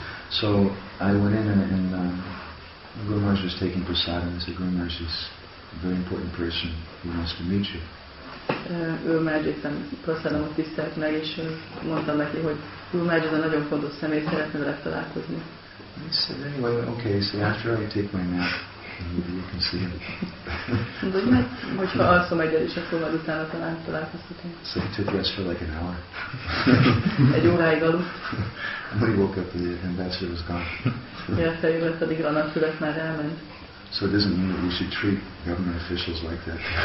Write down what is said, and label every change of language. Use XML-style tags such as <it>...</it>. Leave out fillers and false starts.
<en>So I went in and Guru Maharaj was taking prasad and said, Guru Maharaj is a very important person who wants to meet you.</en> <hu>Ő már egyébként prasadamot tisztelt meg, és mondtam neki, hogy ő már egy nagyon fontos személy, szeretne vele találkozni.</hu> <en>He said, anyway, okay, so after I take my nap, maybe you can see him.</en> <hu>Hogyha alszom egyet, és akkor majd utána talán találkozhatunk.</hu> <en>So he took rest for like an hour.</en> <hu>Egy óráig aludt.</hu> <en>And when he woke up, the ambassador was gone.</en> <hu>Ja, feljövett, addig a nagykövet már elment.</hu> <en>So it doesn't mean that we should treat government officials like that.</en>